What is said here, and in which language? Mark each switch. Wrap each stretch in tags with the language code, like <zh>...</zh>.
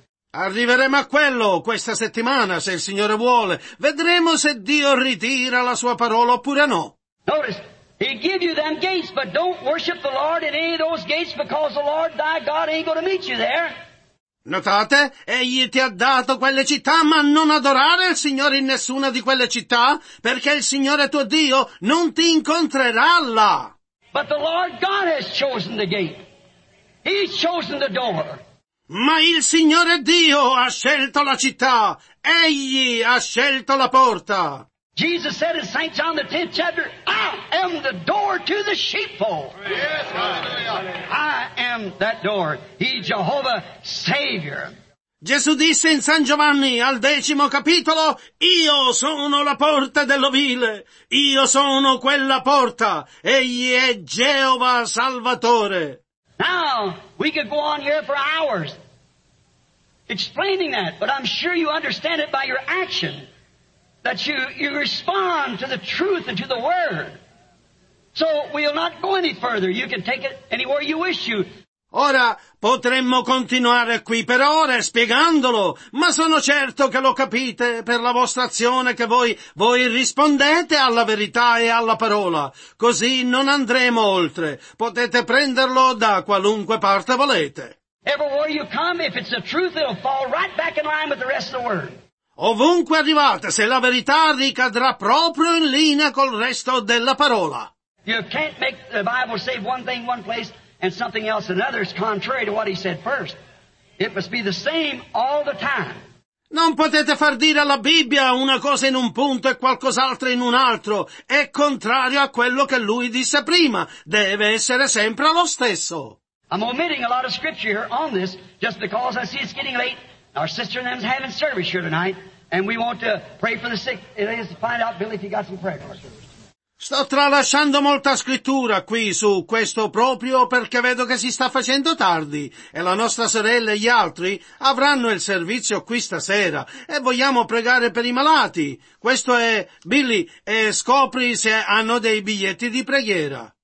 <it>Arriveremo a quello questa settimana, se il Signore vuole. Vedremo se Dio ritira la sua parola oppure no.</it> <en>Notice, he give you them gates, but don't worship the Lord in any of those gates, because the Lord thy God ain't going to meet you there.</en> <it>Notate, egli ti ha dato quelle città, ma non adorare il Signore in nessuna di quelle città, perché il Signore tuo Dio non ti incontrerà là.</it> <en>But the Lord God has chosen the gate. He's chosen the door.</en> <it>Ma il Signore Dio ha scelto la città. Egli ha scelto la porta.</it> <en>Jesus said in St. John the 10th chapter, I am the door to the sheepfold. Yes, hallelujah. I am that door. He Jehovah Savior.</en> <it>Gesù disse in San Giovanni al 10° capitolo, io sono la porta dell'ovile. Io sono quella porta. Egli è Geova Salvatore.</it> <en>Now, we could go on here for hours explaining that, but I'm sure you understand it by your action. That you respond to the truth and to the word. So we'll not go any further. You can take it anywhere you wish you.</en> <it>Ora potremmo continuare qui per ore spiegandolo, ma sono certo che lo capite per la vostra azione che voi rispondete alla verità e alla parola. Così non andremo oltre. Potete prenderlo da qualunque parte volete.</it> <en>Everywhere you come, if it's the truth, it'll fall right back in line with the rest of the word.</en> <it>Ovunque arrivate, se la verità ricadrà proprio in linea col resto della parola.</it> <en>You can't make the Bible say one thing one place and something else another is contrary to what he said first. It must be the same all the time.</en> <it>Non potete far dire alla Bibbia una cosa in un punto e qualcos'altro in un altro. È contrario a quello che lui disse prima. Deve essere sempre lo stesso.</it> <en>I'm omitting a lot of scripture here on this just because I see it's getting late. Our sister and them's having service here tonight, and we want to pray for the sick. It is to find out, Billy, if you got some prayer for us.</en> <it>Sto tralasciando molta scrittura qui su questo proprio perché vedo che si sta facendo tardi e la nostra sorella e gli altri avranno il servizio qui stasera e vogliamo pregare per i malati. Questo è Billy, e scopri se hanno dei biglietti di preghiera.</it>